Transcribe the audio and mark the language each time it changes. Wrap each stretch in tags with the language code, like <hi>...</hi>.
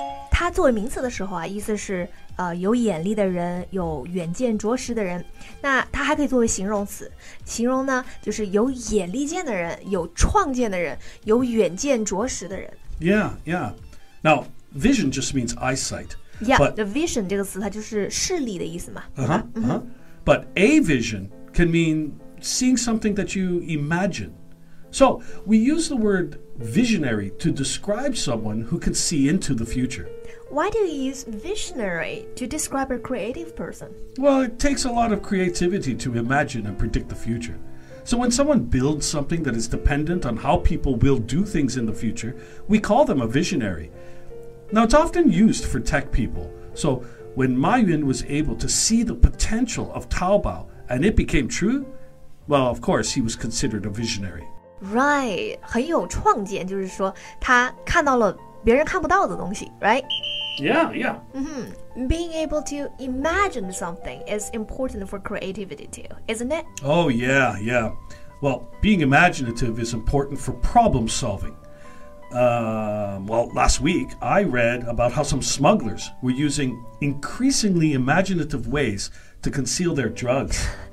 <zh>他作为名词的时候啊，意思是有眼力的人，有远见卓识的人。那他还可以作为形容词，形容呢就是有眼力见的人，有创建的人，有远见卓识的人。</zh> <en>Yeah, yeah. Now, vision just means eyesight. Yeah, the vision</en> <zh>这个词它就是视力的意思嘛。</zh> <en>But a vision can mean seeing something that you imagine. So, we use the word visionary to describe someone who can see into the future. Why do you use visionary to describe a creative person? Well, it takes a lot of creativity to imagine and predict the future. So when someone builds something that is dependent on how people will do things in the future, we call them a visionary. Now, it's often used for tech people. So when Ma Yun was able to see the potential of Taobao and it became true, well, of course, he was considered a visionary. Right.</en> <zh>很有创建就是说他看到了别人看不到的东西 right?</zh> <en>Yeah, yeah. Being able to imagine something is important for creativity too, isn't it? Oh, yeah, yeah. Well, being imaginative is important for problem solving. Last week I read about how some smugglers were using increasingly imaginative ways to conceal their drugs.</en>